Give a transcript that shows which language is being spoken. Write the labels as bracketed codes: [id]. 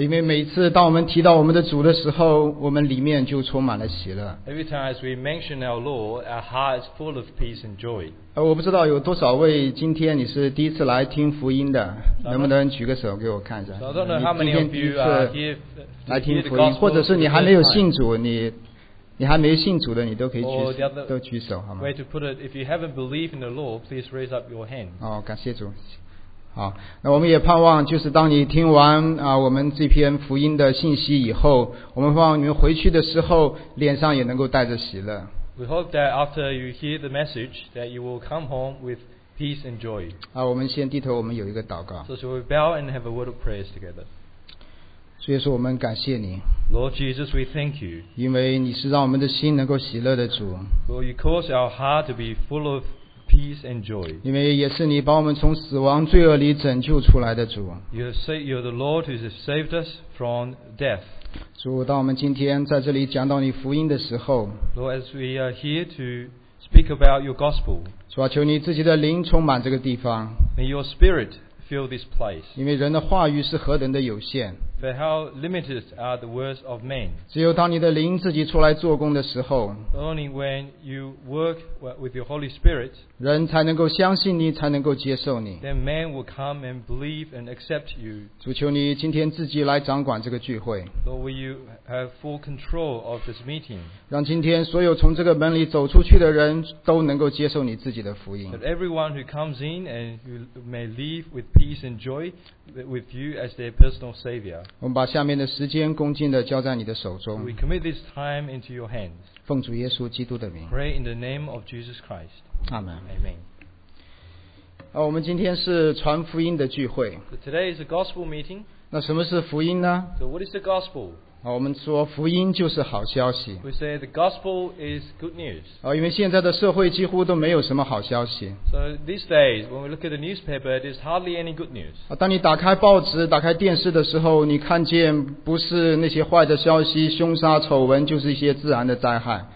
[zh] 因为每次当我们提到我们的主的时候，我们里面就充满了喜乐。 [en] Every time as we mention our Lord, our heart is full of peace and joy. [zh] 我不知道有多少位今天你是第一次来听福音的，能不能举个手给我看一下？ [en] So I don't know how many of you are here [zh] 来听福音，或者是你还没有信主，你还没信主的，你都可以举 都举手好吗 [en] ？Way to put it, if you haven't believed in the Lord, please raise up your hand. [zh] 感谢主。好，那我们也盼望，就是当你听完我们这篇福音的信息以后，我们盼望你们回去的时候，脸上也能够带着喜乐。 [en] We hope that after you hear the message, that you will come home with peace and joy. [zh] 我们先低头，我们有一个祷告。 [en] So shall we bow and have a word of prayers together? [zh] 所以说，我们感谢你。 [en] Lord Jesus, we thank you. [zh] 因为你是让我们的心能够喜乐的主。 [en] For you cause our heart to be full of peace and joy. [zh] 因为也是你把我们从死亡罪恶里拯救出来的主。 [en] You're the Lord who has saved us from death. [zh] 主，当我们今天在这里讲到你福音的时候。 [en] Lord, as we are here to speak about your gospel. [zh] 主啊，求你自己的灵充满这个地方。 [en] May your spirit fill this place. [zh] 因为人的话语是何等的有限。 [en] But how limited are the words of men? [zh] 只有当你的灵自己出来做工的时候， [en] only when you work with your Holy Spirit, [zh] 人才能够相信你，才能够接受你。 [en] Then men will come and believe and accept you. [zh] 主，求你今天自己来掌管这个聚会。 [en] Lord, will you have full control of this meeting? [zh] 让今天所有从这个门里走出去的人都能够接受你自己的福音。 [en] That everyone who comes in and who may leave with peace and joy with you as their personal savior. [zh] 我们把下面的时间恭敬地交在你的手中。 [en] We commit this time into your hands. [zh] 奉主耶稣基督的名。 [en] Pray in the name of Jesus Christ. Amen. Amen. [zh] 我们今天是传福音的聚会。 [en] So today is a gospel meeting. [zh] 那什么是福音呢 [en] ？So what is the gospel? [zh] 我们说福音就是好消息。 [en] We say the gospel is good news. [zh] 因为现在的社会几乎都没有什么好消息。 [en] So these days, when we look at the newspaper, there's hardly any good news. [zh] 当你打开报纸、打开电视的时候，你看见不是那些坏的消息、凶杀、丑闻，就是一些自然的灾害。